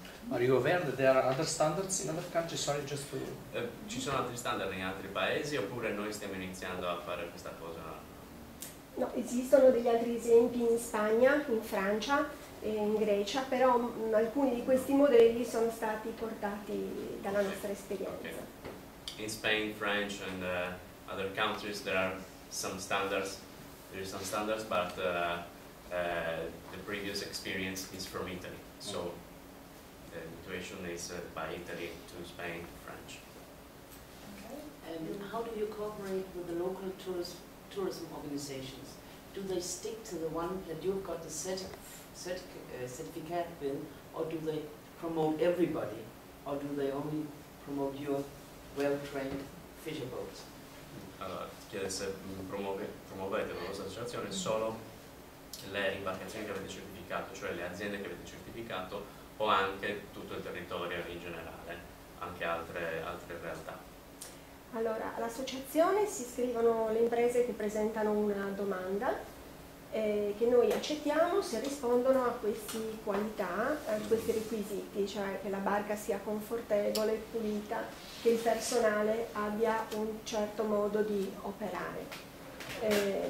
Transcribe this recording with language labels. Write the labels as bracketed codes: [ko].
[en] Are you aware that there are other standards in other countries? Sorry, just to [it] ci sono altri standard in altri paesi oppure noi stiamo iniziando a fare questa cosa? No, esistono degli altri esempi in Spagna, in Francia, in Grecia, però alcuni di questi modelli sono stati portati dalla nostra esperienza. [en] Okay. In Spain, French and other countries there are some standards. There are some standards, but the previous experience is from Italy. So the situation is by Italy to Spain, French. Okay. And how do you cooperate with the local tourism organizations? Do they stick to the one that you've got the certificate bill, or do they promote everybody, or do they only promote your well-trained fisher boats? [it] Allora, chiede se promuovete la vostra associazione solo le imbarcazioni che avete certificato, cioè le aziende che avete certificato, o anche tutto il territorio in generale, anche altre realtà. Allora, all'associazione si iscrivono le imprese che presentano una domanda che noi accettiamo se rispondono a queste qualità, a questi requisiti, cioè che la barca sia confortevole, pulita, che il personale abbia un certo modo di operare.